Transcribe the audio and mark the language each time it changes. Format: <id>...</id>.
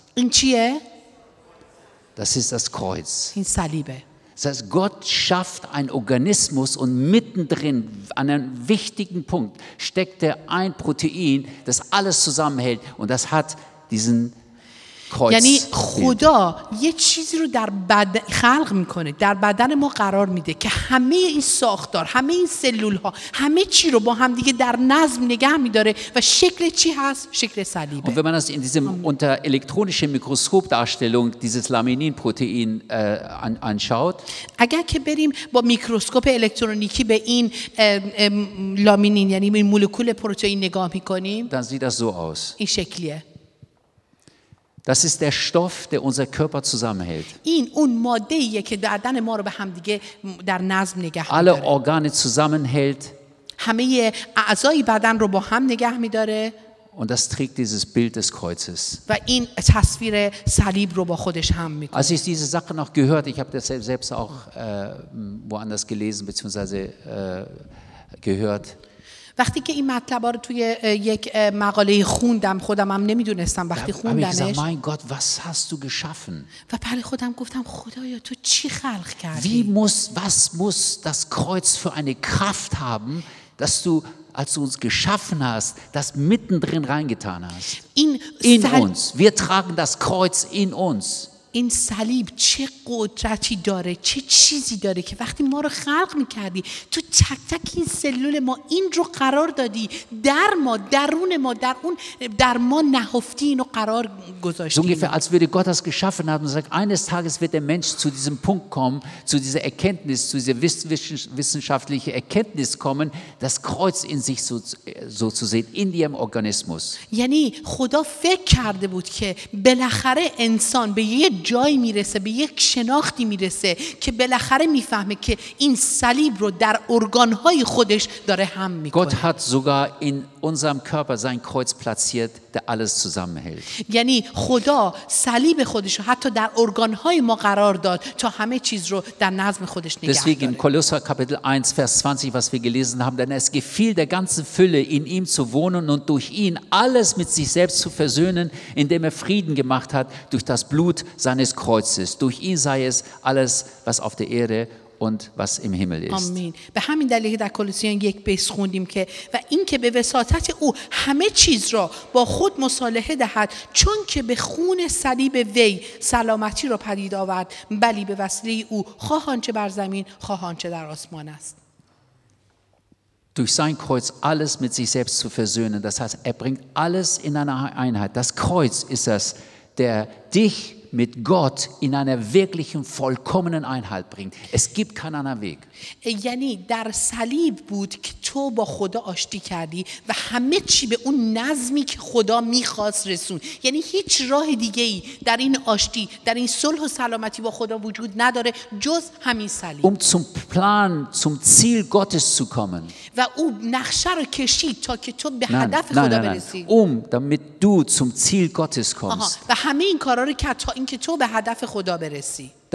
<fa>In chie?</fa> <de>Das ist das Kreuz.</de> <fa>In Salibe.</fa> <de>Das heißt, Gott schafft einen Organismus und mittendrin, an einem wichtigen Punkt, steckt ein Protein, das alles zusammenhält und das hat diesen Kreuz.</de> <fa>یعنی خدا یه چیزی رو در بدن خلق میکنه، در بدن ما قرار میده که همه این ساختار، همه این سلول ها، همه چی رو با هم دیگه در نظم نگه میداره و شکل چی هست؟ شکل صلیبه.</fa> <de>Und wenn man das in diesem unter elektronischem Mikroskop Darstellung dieses Laminin Protein anschaut.</de> <fa>اگر که بریم با میکروسکوپ الکترونیکی به این لامینین، یعنی این مولکول پروتئین نگاه میکنیم.</fa> <de>Dann sieht das so aus.</de> <fa>این شکلیه.</fa> <de>Das ist der Stoff, der unser Körper zusammenhält.</de> <fa>این اون ماده‌ایه که بدن ما رو به هم دیگه در نظم نگه می‌داره.</fa> <de>Alle Organe zusammenhält.</de> <fa>همه اعضای بدن رو با هم نگه می‌داره.</fa> <de>Und das trägt dieses Bild des Kreuzes.</de> <fa>و این تصویر صلیب رو با خودش هم می‌کنه.</fa> <de>Als ich diese Sache noch gehört, ich habe das selbst auch woanders gelesen beziehungsweise gehört.</de> <fa>وقتی که این مطلب رو توی یک مقاله خوندم، خودم هم نمیدونستم وقتی خوندنش.</fa> <de>Mein Gott, was hast du geschaffen?</de> <fa>و برای خودم گفتم خدایا تو چی خلق کردی؟</fa> <de>Was muss das Kreuz für eine Kraft haben, dass du als du uns geschaffen hast, das mittendrin reingetan hast. In uns. Wir tragen das Kreuz in uns.</de> <fa>این صلیب چه قدرتی داره چه چیزی داره که وقتی ما رو خلق می‌کردی تو تک تک این سلول ما این رو قرار دادی در ما درون ما در اون در ما نهفتی اینو قرار گذاشتی</fa> <de>so ungefähr als würde Gott das geschaffen haben und sagt eines Tages wird der Mensch zu diesem Punkt kommen zu dieser Erkenntnis zu dieser wissenschaftliche Erkenntnis kommen das Kreuz in sich so zu sehen in ihrem Organismus</de> <fa>یعنی خدا فکر کرده بود که بالاخره انسان به یه جایی میرسه به یک شناختی میرسه که بالاخره میفهمه که این صلیب رو در ارگانهای خودش داره هم میکنه</fa> <de>Gott hat sogar in unserem Körper sein Kreuz platziert der alles zusammenhält</de> <fa>یعنی خدا صلیب خودش رو حتی در ارگانهای ما قرار داد تا همه چیز رو در نظم خودش نگه داره</fa> <de>Deswegen in Kolosser Kapitel 1 Vers 20 was wir gelesen haben denn es gefiel der ganzen Fülle in ihm zu wohnen und durch ihn alles mit sich selbst zu versöhnen indem er Frieden gemacht hat durch das Blut seines Kreuzes. Durch ihn sei es alles, was auf der Erde und was im Himmel ist. Amen.</de> <fa>به همین دلیل در کلوسیان یک بیس خوندیم که و این که به وساطت او همه چیز را با خود مصالحه دهد چون که به خون صلیب وی سلامتی را پدید آورد بلی به وسیله او خواه آنچه بر زمین خواه آنچه در آسمان است.</fa> <de>Durch sein Kreuz alles mit sich selbst zu versöhnen. Das heißt, er bringt alles in einer Einheit. Das Kreuz ist das, der dich mit Gott in einer wirklichen vollkommenen Einheit bringt. Es gibt keinen anderen Weg.</de> <fa>یعنی در صلیب بود که تو با خدا آشتی کردی و همه چی به اون نظمی که خدا می‌خواست رسون. یعنی هیچ راه دیگه‌ای در این آشتی، در این صلح و سلامتی با خدا وجود نداره جز همین صلیب.</fa> <de>Um zum Plan, zum Ziel Gottes zu kommen.</de> <fa>و او نقشه رو کشید تا که تو به هدف خدا برسی.</fa> <de>Um damit du zum Ziel Gottes kommst.</de> <fa>و همه این کارا رو کرد تا اینکه تو به هدف خدا برسی.</fa>